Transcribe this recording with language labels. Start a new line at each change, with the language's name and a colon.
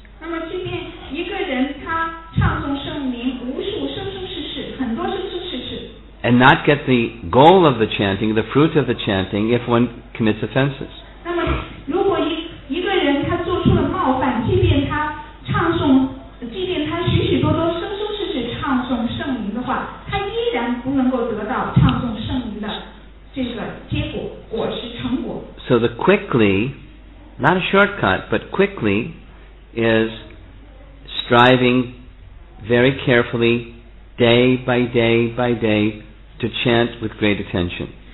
Chinese: 那么即便一个人他唱诵圣名无数生生世世，很多生生世世。
English: And not get the goal of the chanting, the fruit of the chanting, if one commits offenses.
Chinese: 那么如果一个人他做出了冒犯，即便他许许多多生生世世唱诵圣名的话，他依然不能够得到唱诵。
English: So the quickly, not a shortcut, but quickly is striving very carefully day by day by day to chant with great attention.